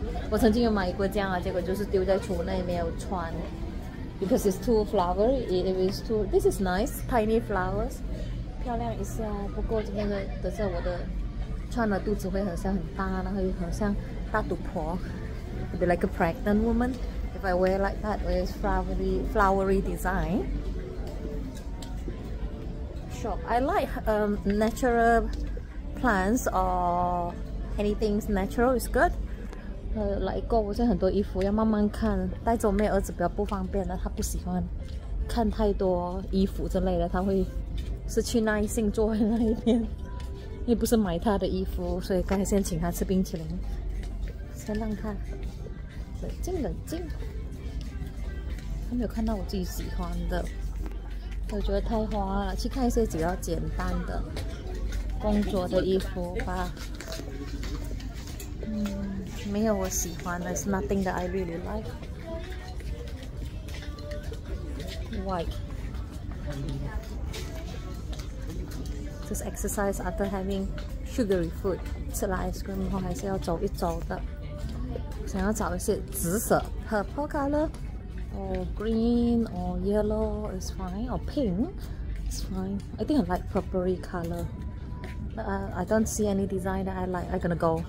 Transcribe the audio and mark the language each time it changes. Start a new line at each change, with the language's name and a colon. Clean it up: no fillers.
Chinese: 我曾经有买过这样啊，结果就是丢在橱内没有穿。
English: Because it's too flowery, it is too... This is nice, tiny flowers.
Chinese: 漂亮一下，不过这边的等下我的穿了肚子会很像很大，然后又很像大肚婆。
English: It'd be like a pregnant woman if I wear like that with flowery design. Shop. I like natural plants orAnything natural is good.
Chinese: 来购物，这很多衣服要慢慢看，带走妹儿子比较不方便的，他不喜欢看太多衣服之类的，他会失去耐性坐在那一边。又不是买他的衣服，所以刚才先请他吃冰淇淋，先让他冷静冷静。他没有看到我自己喜欢的，我觉得太花了，去看一些比较简单的工作的衣服吧。没有我喜欢的
English: ，It's nothing that I really like. White. Just exercise after having sugary food.
Chinese: 吃了 ice cream 后还是要走一走的。想要找一些紫色
English: purple color. or green or yellow is fine, or pink is fine. I think I like purpley color. I don't see any design that I like. I'm gonna go.